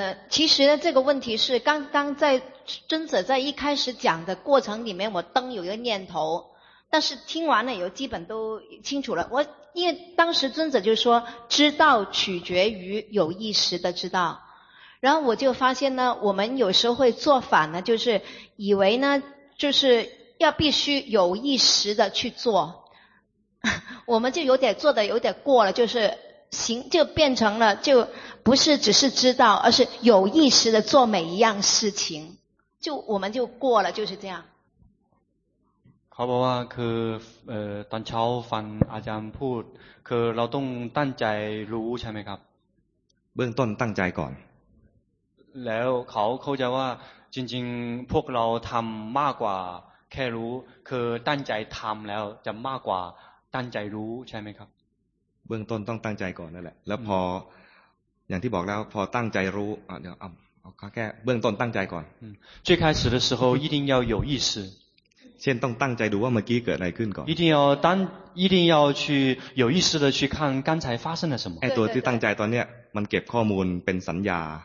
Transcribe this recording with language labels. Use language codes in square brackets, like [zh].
[zh] 其实呢这个问题是刚刚在尊者在一开始讲的过程里面我登有一个念头，但是听完了以后基本都清楚了。我因为当时尊者就说知道取决于有意识的知道，然后我就发现呢我们有时候会做反呢，就是以为呢就是要必须有意识的去做，我们就有点做的有点过了，就是行就变成了就不是只是知道，而是有意识的做每一样事情，就我们就过了，就是这样。 [th] ครับว่าคือตอนเช้าฟังอาจารย์พูดคือเราต้องตั้งใจรู้ใช่ไหมครับ เบื้องต้นตั้งใจก่อน แล้วเขาเข้าใจว่าจริงๆพวกเราทำมากกว่าแค่รู้คือตั้งใจทำแล้วจะมากกว่าตั้งใจรู้ใช่ไหมครับ เบื้องต้นต้องตั้งใจก่อนนั่นแหละแล้วพออย่างที่บอกแล้วพอตั้งใจรู้เดี๋ยวแค่เบื้องต้นตั้งใจก่อน [zh] 最开始的时候一定要有意识先 [th] ต้องตั้งใจดูว่าเมื่อกี้เกิดอะไรขึ้นก่อน [zh] 一定要去有意识的去看刚才发生了什么 [th] ไอ้ตัวที่ตั้งใจตอนเนี้ยมันเก็บข้อมูลเป็นสัญญา